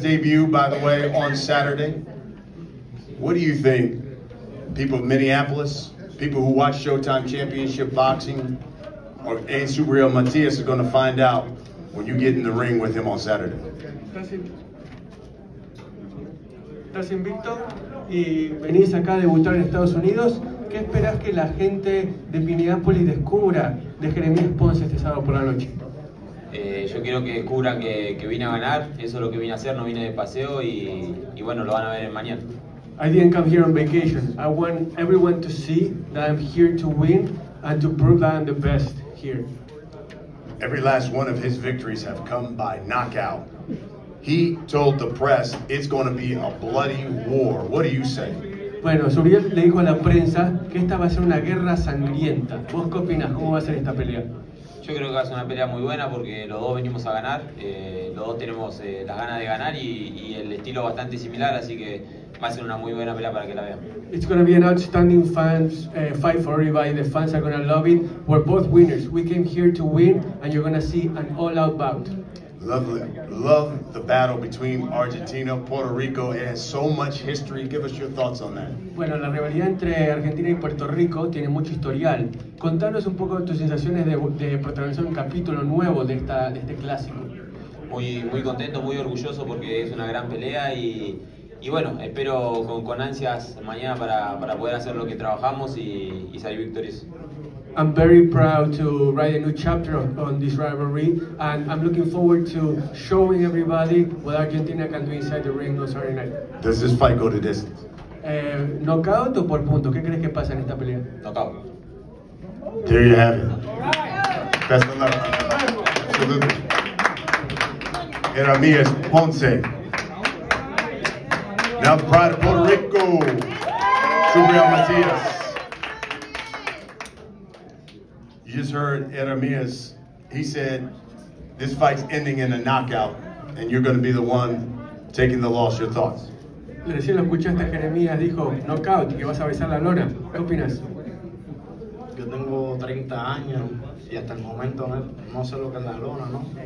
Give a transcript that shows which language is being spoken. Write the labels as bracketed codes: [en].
[en] debut, by the way, on Saturday. What do you think, people of Minneapolis, people who watch Showtime Championship Boxing, or A. Subriel Matias is going to find out when you get in the ring with him on Saturday? [es] Estás invicto y venís acá a debutar en Estados Unidos. ¿Qué esperas que la gente de Minneapolis descubra de Jeremías Ponce este sábado por la noche? Yo quiero que descubra que vine a ganar. Eso es lo que vine a hacer, no vine de paseo y bueno, lo van a ver en mañana. [en] I didn't come here on vacation. I want everyone to see that I'm here to win and to prove that I'm the best here. Every last one of his victories have come by knockout. He told the press it's going to be a bloody war. What do you say? [es] Bueno, Subriel le dijo a la prensa que esta va a ser una guerra sangrienta. ¿Vos qué opinas? ¿Cómo va a ser esta pelea? Yo creo que va a ser una pelea muy buena porque los dos venimos a ganar. Los dos tenemos las ganas de ganar y el estilo bastante similar, así que va a ser una muy buena pelea para que la vean. [en] It's going to be an outstanding fans fight for everybody. The fans are going to love it. We're both winners. We came here to win and you're going to see an all-out bout. Lovely. Love the battle between Argentina and Puerto Rico. It has so much history. Give us your thoughts on that. [es] Bueno, la rivalidad entre Argentina y Puerto Rico tiene mucho historial. Contanos un poco de tus sensaciones de protagonizar un capítulo nuevo de este clásico. Muy, muy contento, muy orgulloso porque es una gran pelea y bueno, espero con ansias mañana para poder hacer lo que trabajamos y salir victorioso. [en] I'm very proud to write a new chapter on this rivalry, and I'm looking forward to showing everybody what Argentina can do inside the ring on Saturday night. Does this fight go to distance? [es] Knockout o por punto? ¿Qué crees que pasa en esta pelea? [en] Knockout. There you have it. Best of luck. Absolutely. Hermias Ponce. Now the pride of Puerto Rico. Subriel Matias. You just heard Hermias. He said this fight's ending in a knockout, and you're going to be the one taking the loss. Your thoughts? [es] Le decía, lo escuchaste, Hermias dijo knockout, que vas a besar la lona. ¿Qué opinas? Yo tengo 30 años y hasta el momento no sé lo que es la lona, ¿no?